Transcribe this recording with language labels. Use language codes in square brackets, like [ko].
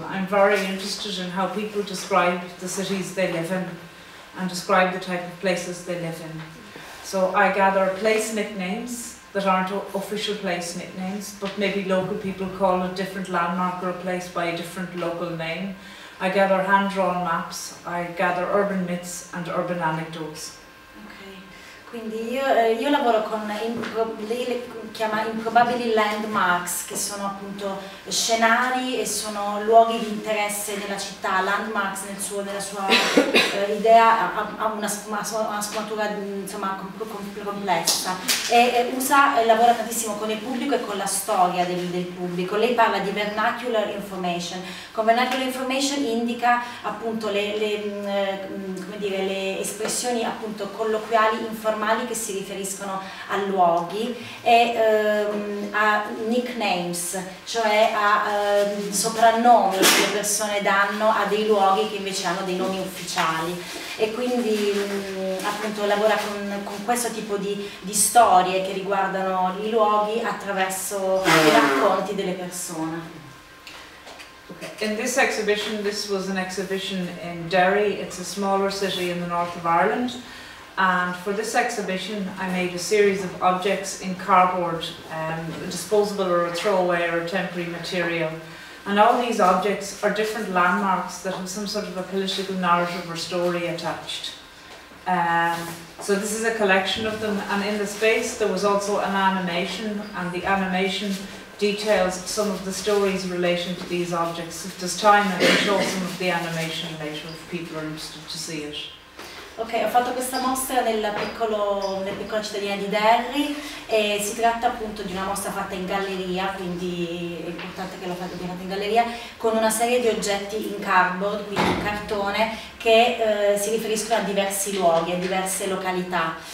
[en] I'm very interested in how people describe the cities they live in and describe the type of places they live in. So I gather place nicknames that aren't official place nicknames, but maybe local people call a different landmark or a place by a different local name. I gather hand-drawn maps, I gather urban myths and urban anecdotes. [it] Okay, quindi io lavoro con improbabili landmarks, che sono appunto scenari e sono luoghi di interesse della città, landmarks nella sua idea ha una sfumatura insomma complessa e lavora tantissimo con il pubblico e con la storia del pubblico. Lei parla di vernacular information. Con vernacular information indica appunto le espressioni appunto colloquiali informali che si riferiscono a luoghi e a nicknames, cioè a soprannomi che le persone danno a dei luoghi che invece hanno dei nomi ufficiali. E quindi appunto lavora con questo tipo di storie che riguardano i luoghi attraverso i racconti delle persone. [en] Okay. In this exhibition, this was an exhibition in Derry, it's a smaller city in the north of Ireland. And for this exhibition, I made a series of objects in cardboard, disposable or a throwaway or a temporary material. And all these objects are different landmarks that have some sort of a political narrative or story attached. So this is a collection of them. And in the space, there was also an animation. And the animation details some of the stories relating to these objects. If there's time, I can show some of the animation later if people are interested to see it. [it] Ok, ho fatto questa mostra nella piccola cittadina di Derry e si tratta appunto di una mostra fatta in galleria, quindi è importante che l'ho fatta in galleria, con una serie di oggetti in cardboard, quindi in cartone, che si riferiscono a diversi luoghi, a diverse località.